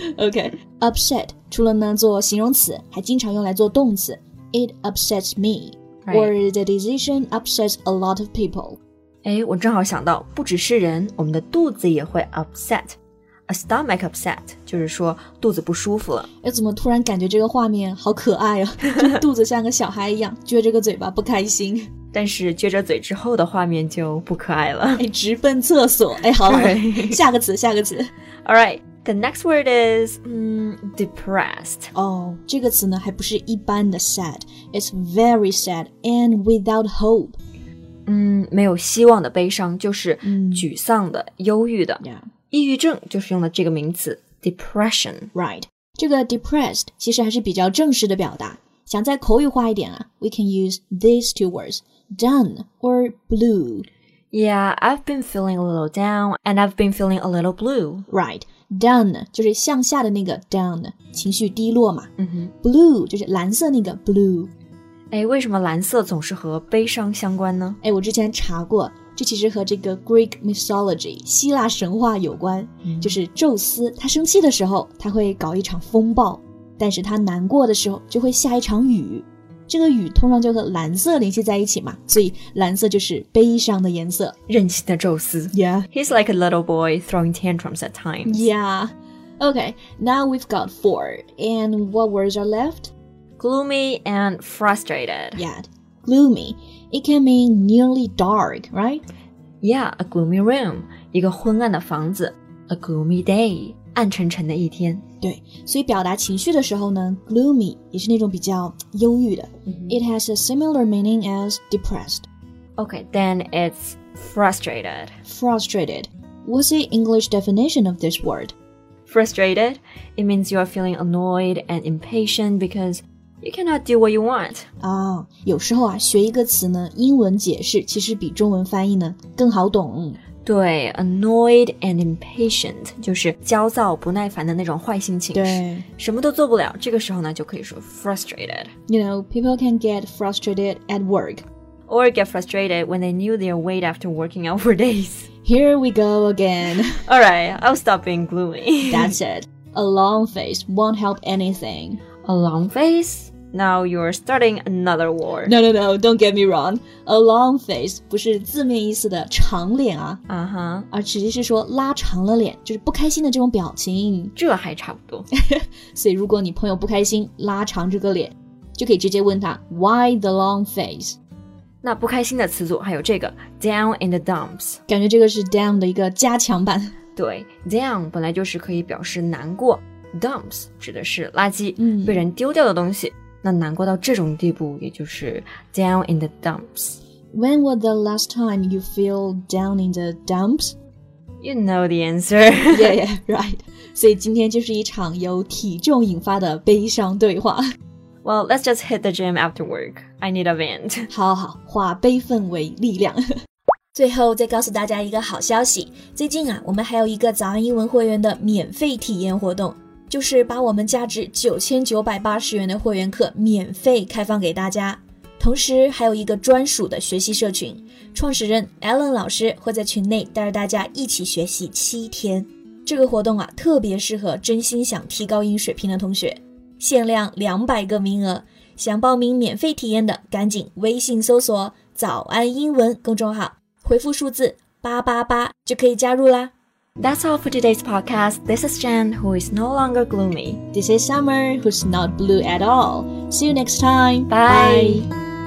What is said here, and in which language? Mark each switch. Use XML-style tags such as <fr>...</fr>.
<en>Okay.</en> <zh>Upset, 除了呢做形容词，还经常用来做动词。</zh> <en>It upsets me,、 right. or the decision upsets a lot of people.</en> <zh>哎，我正好想到，不只是人，我们的肚子也会 upset.</zh> <en>A stomach upset</en> <zh>就是说肚子不舒服了。哎，怎么突然感觉这个画面好可爱啊？就肚子像个小孩一样，撅着个嘴巴不开心。但是撅着嘴之后的画面就不可爱了。哎，直奔厕所。哎，好了，下个词。</zh> <en>All right. The next word is, depressed.</en> <zh>Oh, 这个词呢还不是一般的 sad.</zh> <en>It's very sad and without hope.</en> <zh>没有希望的悲伤就是沮丧的、忧郁的。</zh> <en>Yeah.</en> <zh>抑郁症就是用了这个名词 depression.</zh> <en>Right.</en> <zh>这个 depressed 其实还是比较正式的表达。想再口语化一点啊</zh> <en>we can use these two words, done or blue. Yeah, I've been feeling a little down and I've been feeling a little blue. Right.</en> <zh>Down 就是向下的那个 down, 情绪低落嘛。 Blue 就是蓝色那个 blue。哎，为什么蓝色总是和悲伤相关呢？哎，我之前查过，这其实和这个 Greek mythology 希腊神话有关。就是宙斯他生气的时候，他会搞一场风暴，但是他难过的时候就会下一场雨。这个雨通常就和蓝色联系在一起嘛，所以蓝色就是悲伤的颜色。任性的宙斯。</zh> <en>Yeah. He's like a little boy throwing tantrums at times. Yeah. Okay, now we've got four. And what words are left? Gloomy and frustrated. Yeah, gloomy. It can mean nearly dark, right? Yeah, a gloomy room.</en> <zh>一个昏暗的房子。</zh> <en>A gloomy day.</en> <zh>暗沉沉的一天。对，所以表达情绪的时候呢 gloomy 也是那种比较忧郁的。</zh> <en>It has a similar meaning as depressed. Okay, then it's frustrated. Frustrated. What's the English definition of this word? Frustrated? It means you are feeling annoyed and impatient because you cannot do what you want.</en> <zh>有时候啊，学一个词呢，英文解释其实比中文翻译呢更好懂。对</zh> <en>annoyed and impatient</en> <zh>就是焦躁不耐烦的那种坏心情对什么都做不了这个时候呢就可以说 frustrated</zh> <en>You know, people can get frustrated at work Or get frustrated when they knew their weight after working out for days Here we go again Alright, I'll stop being gloomy That's it A long face won't help anything A long face? Now you're starting another war No, no, no, don't get me wrong A long face</en> <zh>不是字面意思的长脸啊、而实际是说拉长了脸就是不开心的这种表情这还差不多所以如果你朋友不开心拉长这个脸就可以直接问他</zh> <en>Why the long face?</en> <zh>那不开心的词组还有这个</zh> <en>Down in the dumps</en> <zh>感觉这个是 down 的一个加强版对 down 本来就是可以表示难过 dumps 指的是垃圾、被人丢掉的东西那难过到这种地步也就是</zh> <en>down in the dumps When was the last time you feel down in the dumps? You know the answer Yeah, yeah, right</en> <zh>所以今天就是一场由体重引发的悲伤对话</zh> <en>Well, let's just hit the gym after work I need a vent</en> <zh>好好化悲愤为力量最后再告诉大家一个好消息最近啊我们还有一个早安英文会员的免费体验活动就是把我们价值9980元的会员课免费开放给大家同时还有一个专属的学习社群创始人 Alan 老师会在群内带着大家一起学习7天这个活动啊特别适合真心想提高英水平的同学限量200个名额想报名免费体验的赶紧微信搜索早安英文公众号回复数字888就可以加入啦</zh> <en>That's all for today's podcast. This is Jen, who is no longer gloomy. This is Summer, who's not blue at all. See you next time. Bye. Bye.</en>